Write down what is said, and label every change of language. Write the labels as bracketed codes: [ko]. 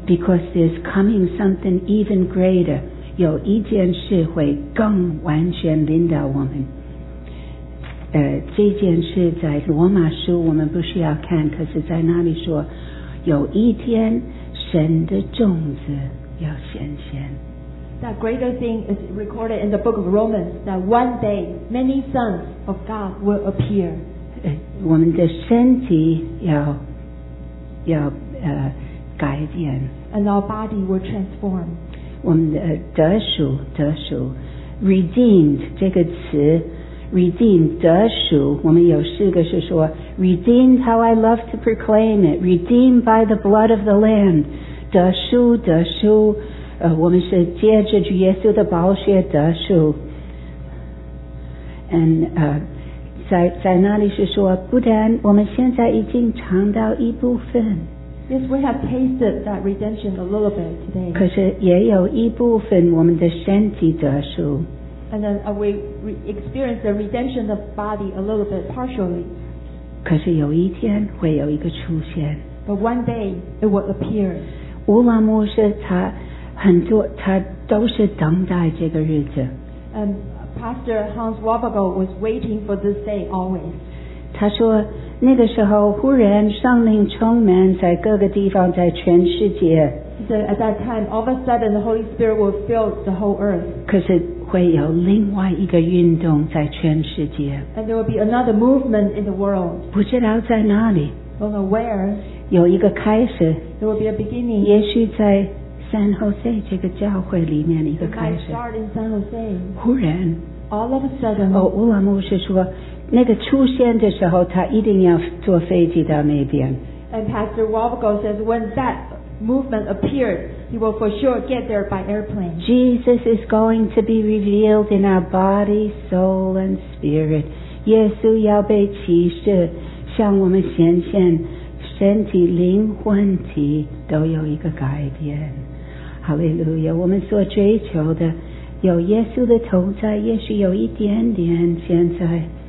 [en] Because there's coming something even greater. [zh] 有一件事会更完全临到我们。这件事在罗马书我们不需要看可是在那里说有一天神的种子要显现 [en] That greater thing is recorded in the book of Romans that one day many sons of God will appear [zh] 我们的身体要改变 [en] And our body will transform [zh] 我们的得赎 redeemed 这个词Redeemed, 得赎我们有四个是说 [en] Redeemed how I love to proclaim it Redeemed by the blood of the Lamb [zh] 得赎我们是借着主耶稣的宝血得赎 [en] And [zh] 在那里是说不但我们现在已经尝到一部分 [en] Yes, we have tasted that redemption a little bit today [zh] 可是也有一部分我们的身体得赎 [en] And then we experience the redemption of body a little bit partially. [zh] 可是有一天会有一个出现。 [en] But one day it will appear. [zh] 乌拉牧师他很多他都是等待这个日子。 [en] Pastor Hans Wabagel was waiting for this day always. [zh] 他说那个时候忽然圣灵充满在各个地方在全世界。 [en] So at that time, all of a sudden, the Holy Spirit will fill the whole earth. [zh] 可是会有另外一个运动在全世界。 [en] And there will be another movement in the world. [zh] 不知道在哪里。 [en] Don't know where. [zh] 有一个开始。 [en] There will be a beginning. [zh] 也许在 San Jose 这个教会里面一个开始。 [en] It might start in San Jose. [zh] 忽然。 [en] All of a sudden. [zh] 乌拉牧师说，那个出现的时候，他一定要坐飞机到那边。 [en] And Pastor Wabagel says, when that movement appeared, You will for sure get there by airplane. Jesus is going to be revealed in our body, soul, and spirit. [zh] 耶稣要被启示，向我们显现，身体、灵、魂体都有一个改变。哈利路亚！我们所追求的，有耶稣的同在，也许有一点点现在。